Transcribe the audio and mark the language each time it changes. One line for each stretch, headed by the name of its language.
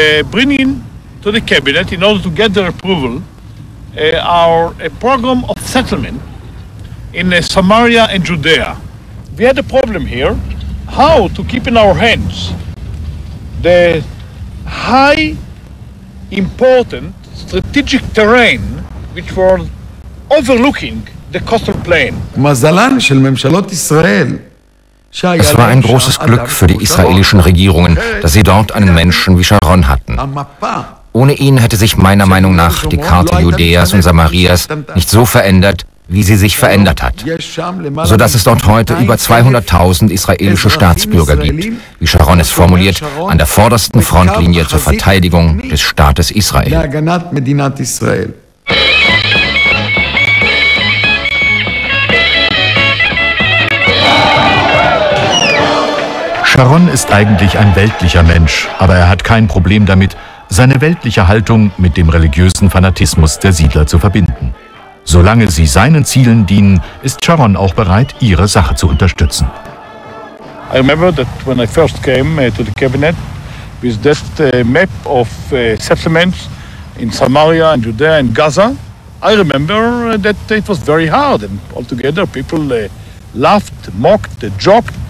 English: Bringing to the cabinet in order to get their approval our program of settlement in Samaria and Judea. We had a problem here, how to keep in our hands the high important strategic terrain which were overlooking the coastal plain.
Hebrew: Mazalan shel memshalot Israel.
German: Es war ein großes Glück für die israelischen Regierungen, dass sie dort einen Menschen wie Sharon hatten. Ohne ihn hätte sich meiner Meinung nach die Karte Judäas und Samarias nicht so verändert, wie sie sich verändert hat, sodass es dort heute über 200.000 israelische Staatsbürger gibt, wie Sharon es formuliert, an der vordersten Frontlinie zur Verteidigung des Staates Israel. Sharon ist eigentlich ein weltlicher Mensch, aber er hat kein Problem damit, seine weltliche Haltung mit dem religiösen Fanatismus der Siedler zu verbinden. Solange sie seinen Zielen dienen, ist Sharon auch bereit, ihre Sache zu unterstützen.
English: I remember that when I first came to the cabinet with that map of settlements in Samaria and Judea and Gaza, I remember that it was very hard and altogether people laughed, mocked, joked.